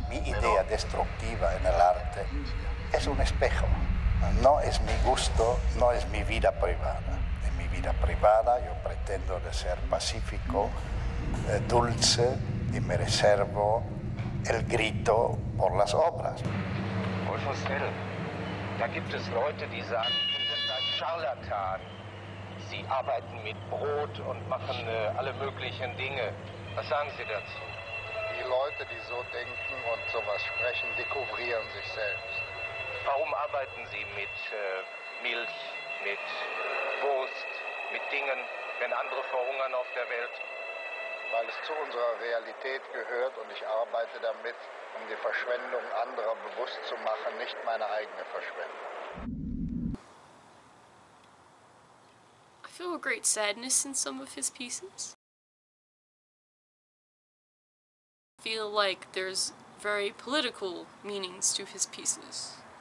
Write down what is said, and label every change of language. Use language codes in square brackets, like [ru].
[es] Mi idea destructiva en el arte es un espejo. No es mi gusto, no es mi vida privada. Vida privada, yo pretendo de ser pacífico, dulce, y me reservo el grito por las obras. [de] Vostell, da gibt es Leute, die sagen, du bist ein Charlatan. Sie arbeiten mit Brot und machen alle möglichen Dinge. Was sagen Sie dazu? Die Leute, die so denken und sowas sprechen, dekouvrieren sich selbst. Warum arbeiten Sie mit Milch, mit Wurst? Mit Dingen, wenn andere verhungern auf der Welt. Weil es zu unserer Realität gehört und ich arbeite damit, um die Verschwendung anderer bewusst zu machen, nicht meine eigene Verschwendung. [en] I feel a great sadness in some of his pieces. I feel like there's very political meanings to his pieces.